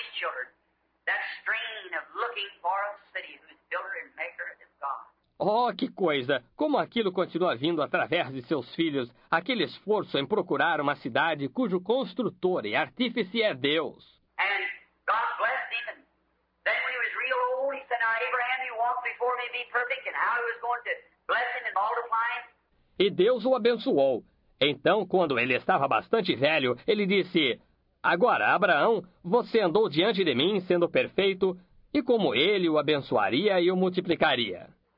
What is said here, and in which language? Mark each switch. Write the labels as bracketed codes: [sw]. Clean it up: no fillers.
[en] looking for a city whose builder and maker is God. [pt] Oh, que coisa! Como aquilo continua vindo através de seus filhos, aquele esforço em procurar uma cidade cujo construtor e artífice é Deus. [en] And God blessed him. Then when he was real old, he said, now Abraham, you walked before me, be perfect, and how he was going to bless him and multiply him. [pt] E Deus o abençoou. Então, quando ele estava bastante velho, ele disse, agora, Abraão, você andou diante de mim, sendo perfeito, e como ele o abençoaria e o multiplicaria.